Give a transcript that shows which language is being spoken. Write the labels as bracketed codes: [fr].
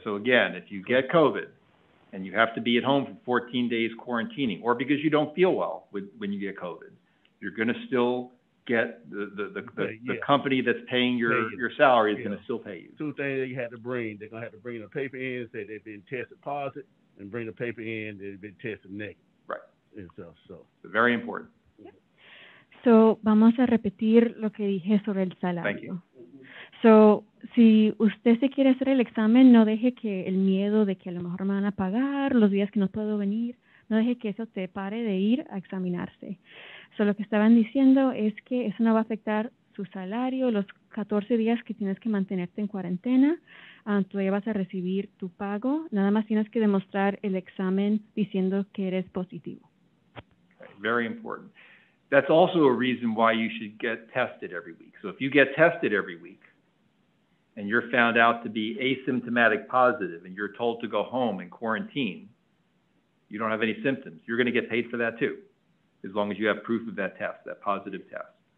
[en] So again, if you get COVID and you have to be at home for 14 days quarantining, or because you don't feel well when you get COVID, you're going to still get the company that's paying your salary is going to still pay you. Two things that you have to bring. They're going to have to bring a paper in, say they've been tested positive, and bring a paper in, they've been tested negative. Right. And stuff, so. It's very important. [es] So, vamos a repetir lo que dije sobre el salario. [en] Thank you. [es] So, si usted se quiere hacer el examen, no deje que el miedo de que a lo mejor me van a pagar los días que no puedo venir, no deje que eso te pare de ir a examinarse. So, lo que estaban diciendo es que eso no va a afectar su salario, los 14 días que tienes que mantenerte en cuarentena, tú ya vas a recibir tu pago, nada más tienes que demostrar el examen diciendo que eres positivo. [en] Very important. That's also a reason why you should get tested every week. So if you get tested every week and you're found out to be asymptomatic positive and you're told to go home and quarantine, you don't have any symptoms, you're going to get paid for that too, as long as you have proof of that test, that positive test.